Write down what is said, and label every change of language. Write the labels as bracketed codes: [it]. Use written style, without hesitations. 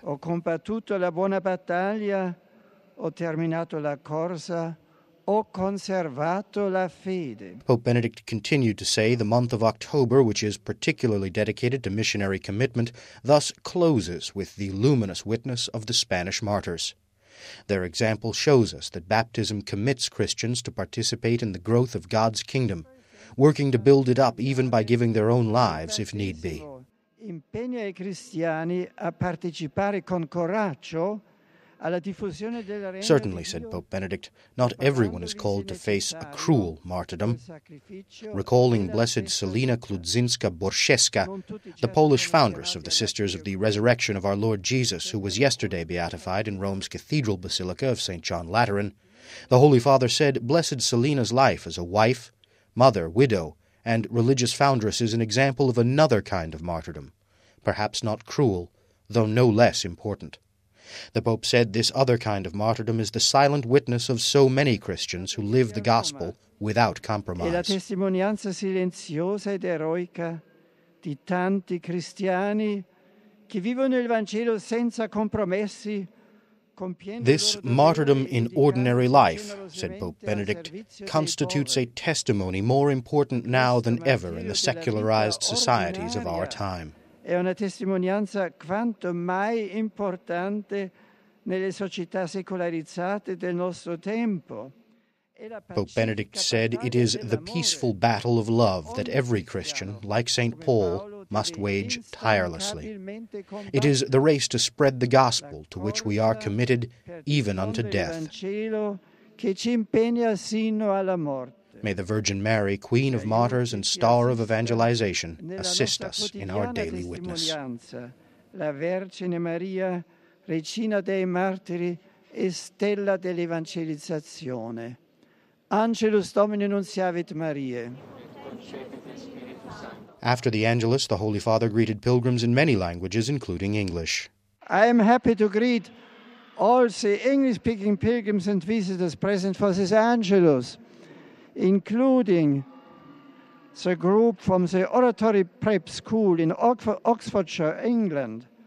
[it] Ho combattuto la buona battaglia, ho terminato la corsa, ho conservato la fede. [en] Pope Benedict continued to say the month of October, which is particularly dedicated to missionary commitment, thus closes with the luminous witness of the Spanish martyrs. Their example shows us that baptism commits Christians to participate in the growth of God's kingdom, working to build it up even by giving their own lives if need be. [it] Impegna i cristiani a partecipare con coraggio. [en] Certainly, said Pope Benedict, not everyone is called to face a cruel martyrdom. Recalling Blessed Celina Kludzinska-Borszewska, the Polish foundress of the Sisters of the Resurrection of Our Lord Jesus, who was yesterday beatified in Rome's Cathedral Basilica of St. John Lateran, the Holy Father said Blessed Celina's life as a wife, mother, widow, and religious foundress is an example of another kind of martyrdom, perhaps not cruel, though no less important. The Pope said this other kind of martyrdom is the silent witness of so many Christians who live the gospel without compromise. [it] È la testimonianza silenziosa ed eroica di tanti cristiani che vivono il Vangelo senza compromessi. [en] This martyrdom in ordinary life, said Pope Benedict, constitutes a testimony more important now than ever in the secularized societies of our time. [it] È una testimonianza quanto mai importante nelle società secolarizzate del nostro tempo. [en] Pope Benedict said it is the peaceful battle of love that every Christian, like St. Paul, must wage tirelessly. It is the race to spread the gospel to which we are committed even unto death. [it] Che ci impegna sino alla morte. [en] May the Virgin Mary, Queen of Martyrs and Star of Evangelization, assist us in our daily witness. [it] La Vergine Maria, Regina dei Martiri e Stella dell'Evangelizzazione. [la] Angelus Domini nunciavit Mariae. [en] After the Angelus, the Holy Father greeted pilgrims in many languages, including English. I am happy to greet all the English-speaking pilgrims and visitors present for this Angelus, including the group from the Oratory Prep School in Oxfordshire, England.